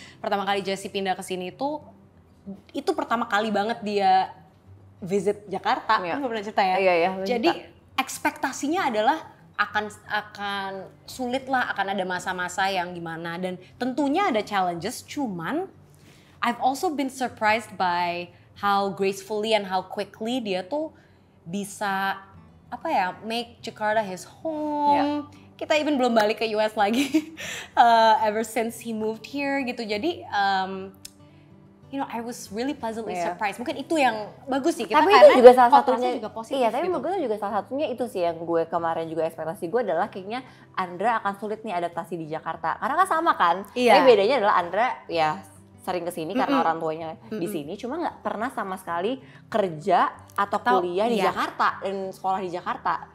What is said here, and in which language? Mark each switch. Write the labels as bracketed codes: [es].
[id] Pertama kali Jesse pindah ke sini itu pertama kali banget dia visit Jakarta. Ya. Kamu pernah cerita ya? Iya. Jadi ekspektasinya adalah akan sulit lah, akan ada masa-masa yang gimana dan tentunya ada challenges. [en] Cuman I've also been surprised by how gracefully and how quickly [id] dia tuh bisa apa ya [en] make Jakarta his home. Ya. [id] Kita even belum balik ke US lagi [en] ever since he moved here [id] gitu. [en] Jadi you know I was really pleasantly surprised. [id] Mungkin itu yang bagus sih kita tapi karena itu juga salah satunya juga positif. Iya, tapi gitu. Juga salah satunya itu sih yang gue kemarin juga ekspektasi gue adalah kayaknya Andra akan sulit nih adaptasi di Jakarta. Karena kan sama kan? Iya. Tapi bedanya adalah Andra ya sering ke sini karena orang tuanya di sini cuma enggak pernah sama sekali kerja atau kuliah di Jakarta dan sekolah di Jakarta.